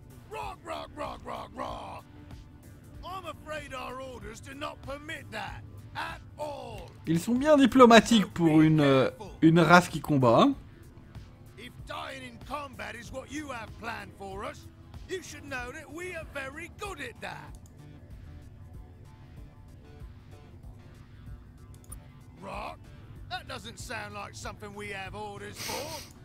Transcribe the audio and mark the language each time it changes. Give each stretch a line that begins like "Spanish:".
English: Rock, rock, rock, rock, rock. I'm afraid our orders do not permit that.
French: Ils sont bien diplomatiques pour une race qui combat.
English: If dying in combat is what you have planned for us, you should know that we are very good at that. Rock, that doesn't sound like something we have orders for.